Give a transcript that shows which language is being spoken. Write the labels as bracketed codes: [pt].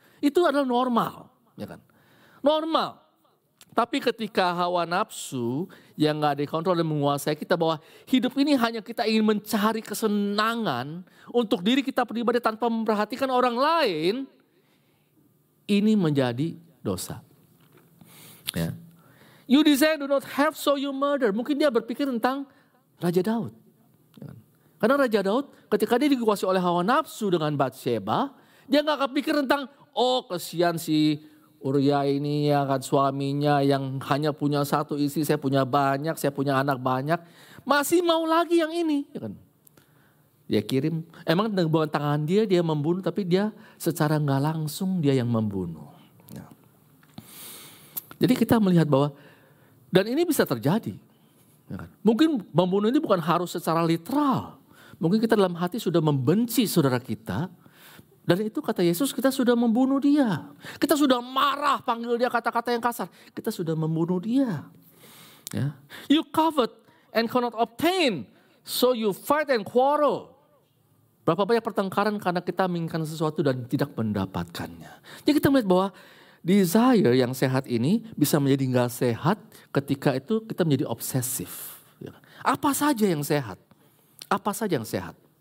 [id] Itu adalah normal. Ya kan? Normal. Tapi ketika hawa nafsu yang gak dikontrol dan menguasai kita. Bahwa hidup ini hanya kita ingin mencari kesenangan. Untuk diri kita pribadi tanpa memperhatikan orang lain. Ini menjadi dosa. Ya. [en] You desire do not have so you murder. [id] Mungkin dia berpikir tentang Raja Daud. Karena Raja Daud ketika dia dikuasai oleh hawa nafsu dengan Batsheba, dia gak kepikir tentang, oh kesian si Uria ini ya kan, suaminya yang hanya punya satu istri, saya punya banyak, saya punya anak banyak, masih mau lagi yang ini. Ya kan? Dia kirim, emang dengan tangan dia membunuh, tapi dia secara gak langsung dia yang membunuh. Ya. Jadi kita melihat bahwa, dan ini bisa terjadi. Ya kan? Mungkin membunuh ini bukan harus secara literal. Mungkin kita dalam hati sudah membenci saudara kita. Dan itu kata Yesus kita sudah membunuh dia. Kita sudah marah panggil dia kata-kata yang kasar. Kita sudah membunuh dia. Ya. [en] You covet and cannot obtain. So you fight and quarrel. [id] Berapa banyak pertengkaran karena kita menginginkan sesuatu dan tidak mendapatkannya. Jadi kita melihat bahwa desire yang sehat ini bisa menjadi gak sehat ketika itu kita menjadi obsesif. Apa saja yang sehat? Apa saja yang sehat?